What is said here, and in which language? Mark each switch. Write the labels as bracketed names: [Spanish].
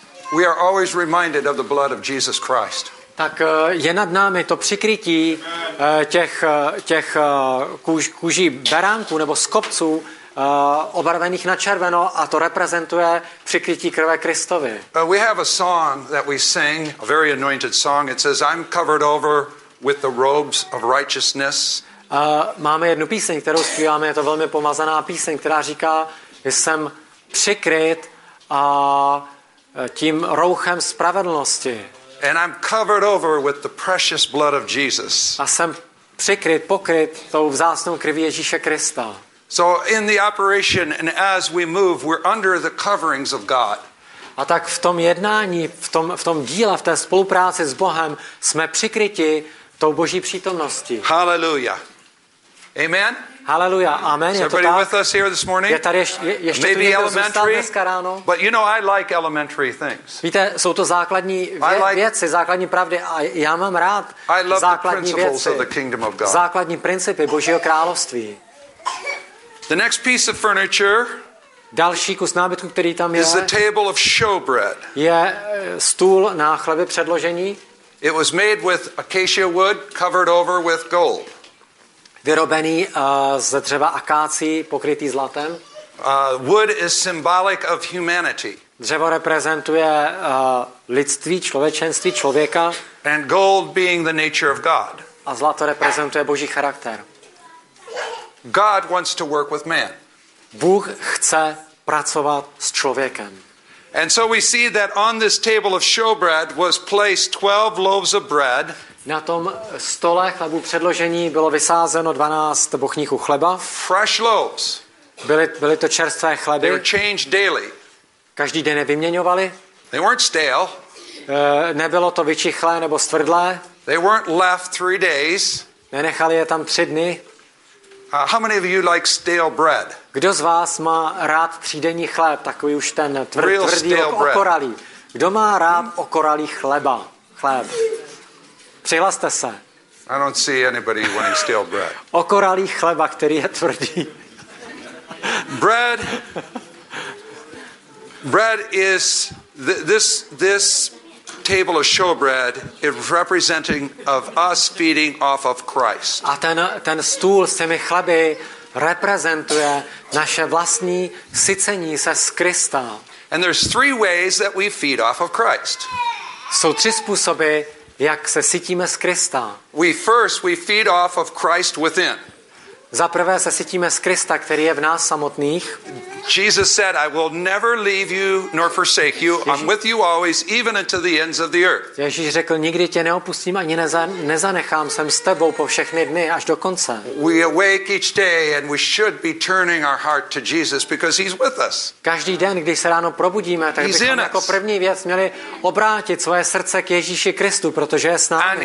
[English] We are always reminded of the blood of Jesus Christ. [Czech] Tak je nad námi to přikrytí těch kůží beránků nebo skopců obarvených na červeno a to reprezentuje přikrytí krve Kristovy. [English] We have a song that we sing, a very anointed song. It says I'm covered over with the robes of righteousness. [Czech] Máme jednu píseň, kterou zpíváme, je to velmi pomazaná píseň, která říká, že jsem přikryt a tím rouchem spravedlnosti. [English] And I'm covered over with the precious blood of Jesus. [Czech] A jsem přikryt, pokryt tou vzácnou krví Ježíše Krista. [English] So in the operation and as we move, we're under the coverings of God. [Czech] A tak v tom jednání, v tom díle, v té spolupráci s Bohem, jsme přikryti tou Boží přítomností. [English] Hallelujah. Amen. Hallelujah. Amen. Is everybody with us here this morning? Maybe elementary. But you know, I like elementary things. [Czech] Víte, jsou to základní věci, základní pravdy. A já mám rád základní věci. Základní principy Božího království. [English] The next piece of furniture. [Czech] Další kus nábytku, který tam je. [English] Is the table of showbread. [Czech] Je stůl na chleby předložení. [English] It was made with acacia wood, covered over with gold. [Czech] Vyrobený ze dřeva akácí, pokrytý zlatem. [English] Wood is symbolic of humanity. [Czech] Dřevo reprezentuje lidství, člověčenství, člověka. [English] And gold being the nature of God. [Czech] A zlato reprezentuje Boží charakter. [English] God wants to work with man. [Czech] Bůh chce pracovat s člověkem. [English] And so we see that on this table of showbread was placed 12 loaves of bread. [Czech] Na tom stole chlebu předložení bylo vysázeno 12 bochníků chleba. [English] Fresh loaves. [Czech] Byly to čerstvé chleby. [English] They were changed daily. [Czech] Každý den je vyměňovali. [English] They weren't stale. [Czech] Nebylo to vyčichlé nebo stvrdlé. [English] They weren't left 3 days. [Czech] Nenechali je tam 3 dny. [English] How many of you like stale bread? [Czech] Kdo z vás má rád třídenní chléb, takový už ten tvrdý okoralý? Kdo má rád okoralý chléb? Přihlaste se. [English] I don't see anybody wanting stale bread. [Czech] Okoralý chleba, který je tvrdý. [English] Bread is this table of showbread is representing of us feeding off of Christ. [Czech] A ten stůl s těmi chleby reprezentuje naše vlastní sycení se z Krista. [English] And there's three ways that we feed off of Christ. [Czech] Jsou tři způsoby, jak se sytíme z Krista. [English] We feed off of Christ within. [Czech] Zaprvé se sytíme z Krista, který je v nás samotných. [English] Jesus said, I will never leave you nor forsake you. I'm with you always, even until the ends of the earth. [Czech] Ježíš řekl, nikdy tě neopustím ani nezanechám, jsem s tebou po všechny dny až do konce. [English] We awake each day and we should be turning our heart to Jesus because he's with us. [Czech] Každý den, když se ráno probudíme, tak bychom jako první věc měli obrátit svoje srdce k Ježíši Kristu, protože je s námi.